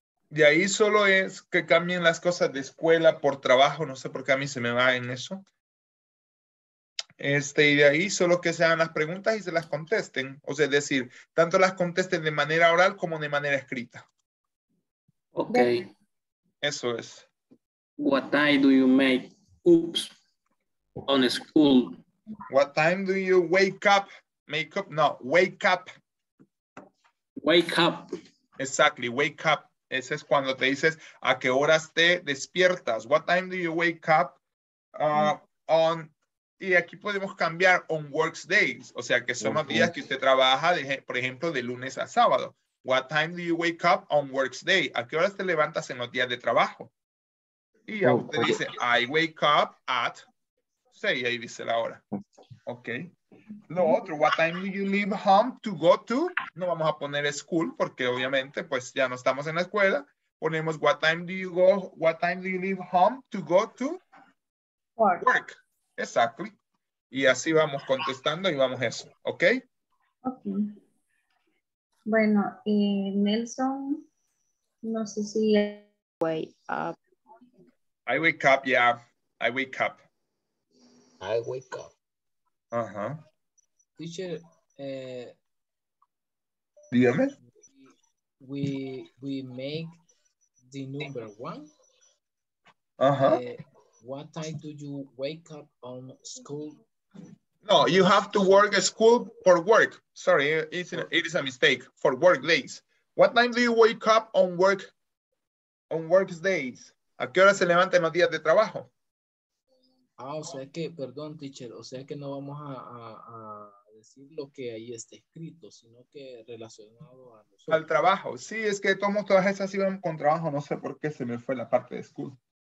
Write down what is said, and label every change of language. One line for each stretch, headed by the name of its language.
Spanish: De ahí solo es que cambien las cosas de escuela por trabajo. No sé por qué a mí se me va en eso. Y de ahí solo que se hagan las preguntas y se las contesten. O sea, es decir, tanto las contesten de manera oral como de manera escrita. Ok. Eso es.
English: What time do you make oops on school? What time do you wake up? Make up? No, wake up. Wake up. Exactly, wake up.
Spanish: Ese es cuando te dices a qué horas te despiertas.
English: What time do you wake up on?
Spanish: Y aquí podemos cambiar
English: on works days.
Spanish: O sea, que son los días que usted trabaja, por ejemplo, de lunes a sábado.
English: What time do you wake up on works day?
Spanish: ¿A qué horas te levantas en los días de trabajo? Y ya usted dice,
English: I wake up at 6.
Spanish: Ahí dice la hora. Ok. Lo otro,
English: what time do you leave home to go to?
Spanish: No vamos a poner school porque obviamente pues ya no estamos en la escuela. Ponemos
English: what time do you go, what time do you leave home to go to? Work. Work. Exactly.
Spanish: Y así vamos contestando y vamos eso, ¿ok? Ok. Bueno, y Nelson, no sé si...
English: Wake up. I wake up, yeah. I wake up. I wake up. Ajá. Teacher,
Spanish: dígame.
English: We make the number one. Ajá. What time do you wake up on school? No, you have to work at school for work. Sorry, it is a mistake. For work days. What time do you wake up on work? On work days.
Spanish: ¿A qué hora se levanta en los días de trabajo? Ah, o sea que, perdón, teacher, o sea que no vamos a decir lo que ahí está escrito, sino que relacionado a nosotros. Al trabajo. Sí, es que tomo todas esas iban con trabajo. No sé por qué se me fue la parte de school.